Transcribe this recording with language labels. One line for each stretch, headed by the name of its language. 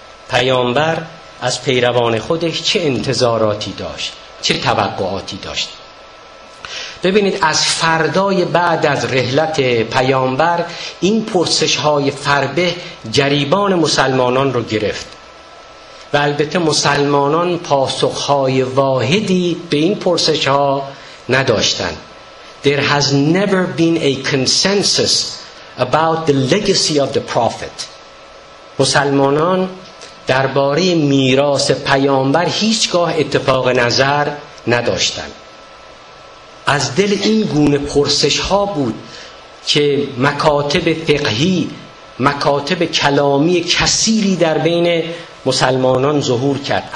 Persian: پیامبر از پیروان خودش چه انتظاراتی داشت؟ چه توقعاتی داشت؟ ببینید، از فردای بعد از رحلت پیامبر این پرسش‌های فربه جریبان مسلمانان رو گرفت و البته مسلمانان پاسخ‌های واحدی به این پرسش‌ها نداشتند.
English: There has never been a consensus about the legacy of the prophet.
Persian: مسلمانان درباره میراث پیامبر هیچگاه اتفاق نظر نداشتند. از دل این گونه پرسش ها بود که مکاتب فقهی، مکاتب کلامی کثیری در بین مسلمانان ظهور کرد.